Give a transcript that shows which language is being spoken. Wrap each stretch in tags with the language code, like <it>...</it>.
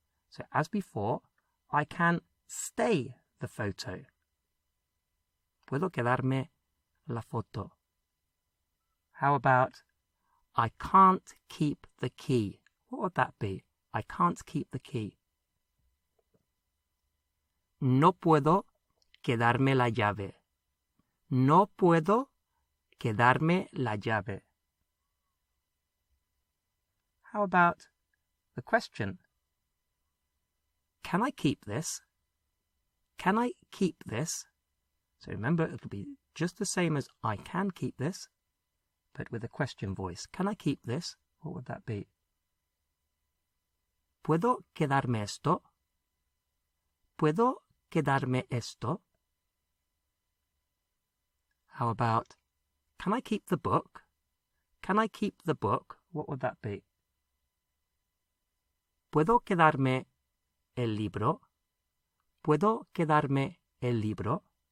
<en>So as before, I can stay the photo.</en> <es>Puedo quedarme la foto.</es> <en>How about I can't keep the key? What would that be? I can't keep the key.</en> <es>No puedo quedarme la llave. No puedo quedarme la llave.</es> <en>How about the question? Can I keep this? Can I keep this? So remember, it'll be just the same as I can keep this, but with a question voice. Can I keep this? What would that be?</en> <es>¿Puedo quedarme esto? ¿Puedo quedarme esto?</es> <en>How about, can I keep the book? Can I keep the book? What would that be?</en> <es>¿Puedo quedarme el libro? ¿Puedo quedarme el libro?</es>